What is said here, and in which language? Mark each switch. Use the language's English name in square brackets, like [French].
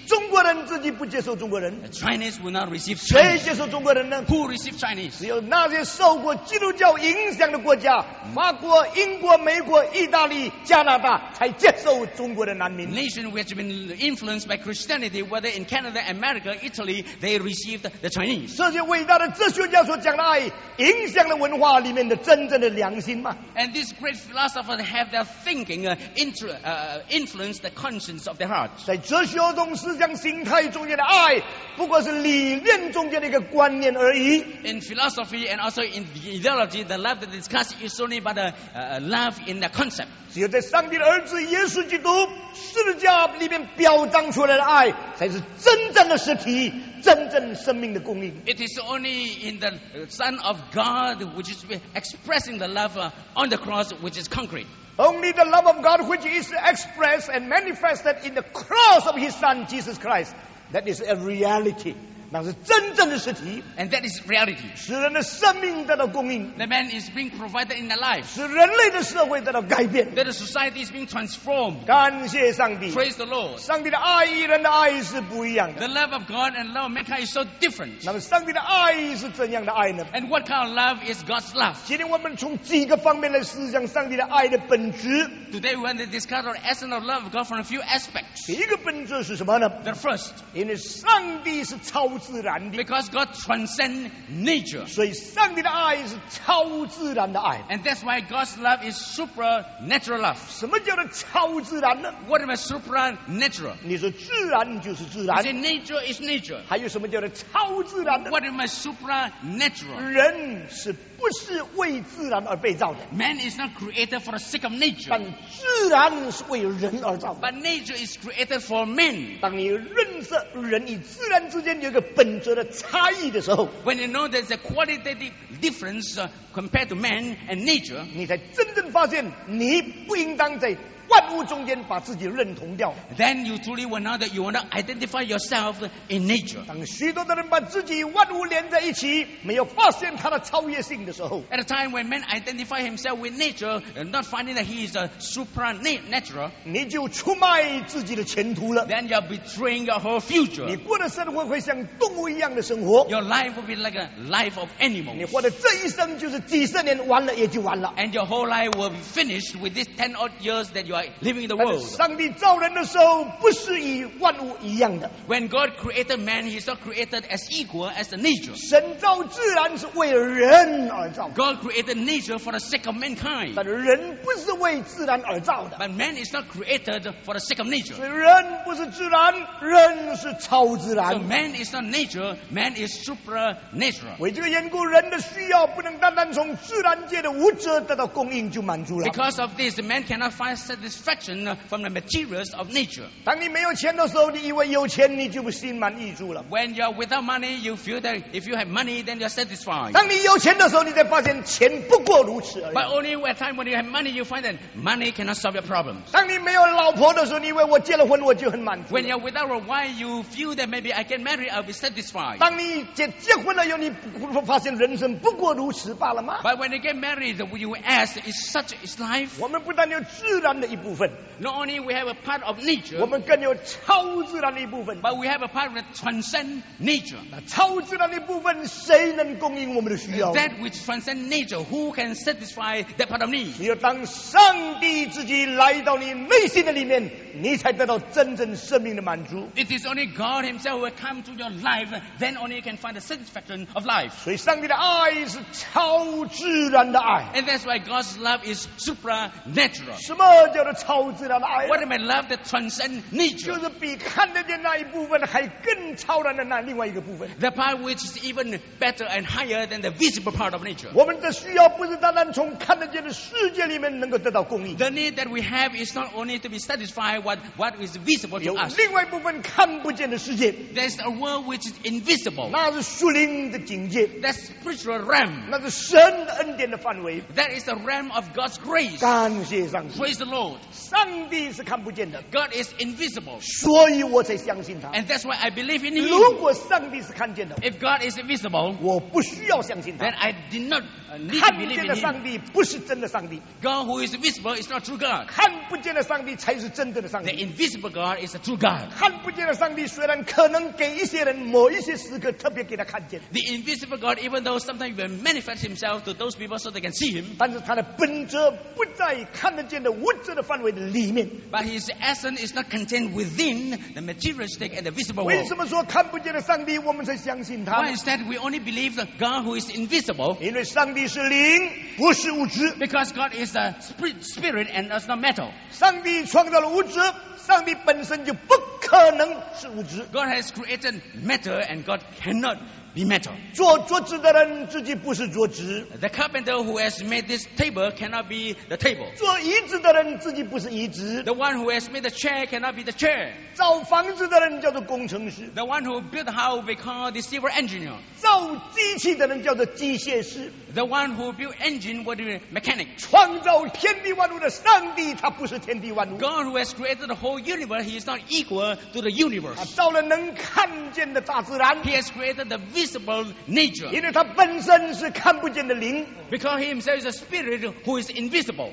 [Chinese] 中国人自己不接受中国人。 [English] The Chinese will not receive Chinese. [Chinese] 谁接受中国人呢？ [English] Who receive Chinese? [Chinese] 只有那些受过基督教影响的国家，法国、英国、美国、意大利、加拿大才接受中国的难民。 [English] Nation which has been influenced by Christianity, whether in Canada, America, Italy, they received the Chinese. [Chinese] 这些伟大的哲学家所讲的爱，影响了文化里面的真正的良心吗？ [English] And these great philosophers have their thinking influence the conscience of their hearts. [Chinese] 在哲学中，思想形态中间的爱，不过是理念中间的一个观念而已。 [English] In philosophy and also in the ideology, the love that discussed is only but a love in the concept. [Chinese] 只有在上帝的儿子耶稣基督十字架里面表彰出来的爱，才是真正的实体。真正生命的供应。 [English] It is only in the Son of God which is expressing the love on the cross which is concrete. Only the love of God which is expressed and manifested in the cross of His Son Jesus Christ. That is a reality. [Chinese] 那是真正的实体。 [English] And that is reality. [Chinese] 使人的生命得到供应。 [English] The man is being provided in the life. [Chinese] 使人类的社会得到改变。 [English] That the society is being transformed. [Chinese] 感谢上帝。 [English] Praise the Lord. [Chinese] 上帝的爱与人的爱是不一样的。 [English] The love of God and love of mankind is so different. [Chinese] 那么上帝的爱是怎样的爱呢？ [English] And what kind of love is God's love? [Chinese] 今天我们从几个方面来思想上帝的爱的本质。 [English] Today we want to discuss the essence of love of God from a few aspects. [Chinese] 第一个本质是什么呢？ [English] The first. [Chinese] 因为上帝是超自然的。 [English] Because God transcends nature. [Chinese] 所以上帝的爱是超自然的爱。 [English] And that's why God's love is supernatural love. [Chinese] 什么叫做超自然呢？ [English] What is supernatural? [Chinese] 你说自然就是自然。 [English] You say nature is nature. [Chinese] 还有什么叫做超自然呢？ [English] What is supernatural? [Chinese] 人是不是为自然而被造的？ [English] Man is not created for the sake of nature. [Chinese] 但自然是为人而造的。 [English] But nature is created for man. [Chinese] 当你认识人与自然之间有一个本质的差异的时候， [English] When you know there's a qualitative difference compared to man and nature, [Chinese] 你才真正发现你不应当在万物中间把自己认同掉。 [English] Then you truly will know that you want to identify yourself in nature. [Chinese] 当许多的人把自己万物连在一起，没有发现它的超越性的时候， [English] At a time when man identify himself with nature, not finding that he is a supernatural, [Chinese] 你就出卖自己的前途了。 [English] Then you're betraying your whole future. [Chinese] 你过的生活会像动物一样的生活。 [English] Your life will be like a life of animals. [Chinese] 你活的这一生就是几十年，完了也就完了。 [English] And your whole life will be finished with these 10 odd years that you are living in the world. [Chinese] 上帝造人的时候不是以万物一样的。 [English] When God created man, He's not created as equal as the nature. [Chinese] 神造自然是为了人而造。 [English] God created nature for the sake of mankind. [Chinese] 但人不是为自然而造的。 [English] But man is not created for the sake of nature. [Chinese] 所以人不是自然，人是超自然。 [English] So man is not nature, man is supernatural. [Chinese] 为这个缘故，人的需要不能单单从自然界的物质得到供应就满足了。 [English] Because of this, man cannot find satisfaction from the materials of nature. [Chinese] 当你没有钱的时候，你以为有钱你就不心满意足了。 [English] When you are without money, you feel that if you have money, then you are satisfied. [Chinese] 当你有钱的时候，你才发现钱不过如此而已。 [English] But only at time when you have money, you find that money cannot solve your problems. [Chinese] 当你没有老婆的时候，你以为我结了婚我就很满足。 [English] When you are without a wife, you feel that maybe I can marry, I'll be satisfied. [Chinese] 当你结婚了以后，你不发现人生不过如此罢了吗？ [English] But when you get married, you ask, is such is life? [Chinese] 我们不但有自然的一部分， [English] not only we have a part of nature, [Chinese] 我们更有超自然的一部分。 [English] But we have a part that transcends nature. [Chinese] 那超自然的一部分，谁能供应我们的需要？ [English] That which transcends nature, who can satisfy that part of need? [Chinese] 只有当上帝自己来到你内心的里面，你才得到真正生命的满足。 [English] It is only God Himself who will come to your life, then only you can find the satisfaction of life. [Chinese] 所以上帝的爱是超自然的爱。 [English] And that's why God's love is supernatural. [Chinese] 什么叫做超自然的爱？ [English] What am I love that transcends nature? [Chinese] 就是比看得见那一部分还更超然的那另外一个部分。 [English] The part which is even better and higher than the visible part of nature. [Chinese] 我们的需要不是单单从看得见的世界里面能够得到供应。 [English] The need that we have is not only to be satisfied what is visible to us. [Chinese] 有另外一部分看不见的世界。 [English] There's a world which is invisible. [Chinese] 那是属灵的境界。 [English] That's spiritual realm. [Chinese] 那是神的恩典的范围。 [English] That is the realm of God's grace. [Chinese] 感谢上帝。 [English] Praise the Lord. [Chinese] 上帝是看不见的。 [English] God is invisible. [Chinese] 所以我才相信他。 [English] And that's why I believe in him. [Chinese] 如果上帝是看见的。 [English] If God is invisible, [Chinese] 我不需要相信他。 [English] Then I did not need to believe in him. [Chinese] 看不见的上帝不是真的上帝。 [English] God who is visible is not true God. [Chinese] 看不见的上帝才是真正的上帝。 [English] The invisible God is the true God. [Chinese] 看不见的上帝虽然可能给一些人某一些时刻特别给他看见。 [English] The invisible God, even though sometimes he manifests himself to those people so they can see him, [Chinese] 但是他的本质不在看得见的物质的范围的里面。 [English] But his essence is not contained within the materialistic and the visible world. [Chinese] 为什么说看不见的上帝我们才相信他？ [English] Why is that we only believe the God who is invisible? [Chinese] 因为上帝是灵，不是物质。 [English] Because God is a spirit and is not metal. [Chinese] 上帝创造了物质，上帝本身就不可能是物质。 [English] God has created matter and God cannot be metal. [Chinese] 做桌子的人自己不是桌子。 [English] The carpenter who has made this table cannot be the table. [Chinese] 做椅子的人自己不是椅子。 [English] The one who has made the chair cannot be the chair. [Chinese] 造房子的人叫做工程师。 [English] The one who built the house we call the civil engineer. [Chinese] 造机器的人叫做机械师。 [English] The one who built engine what is mechanic. [Chinese] 创造天地万物的上帝他不是天地万物。 [English] God who has created the whole universe, he is not equal to the universe. [Chinese] 造了能看见的大自然。 [English] He has created the visible nature. [Chinese] 因为他本身是看不见的灵。 [English] Because he himself is a spirit who is invisible.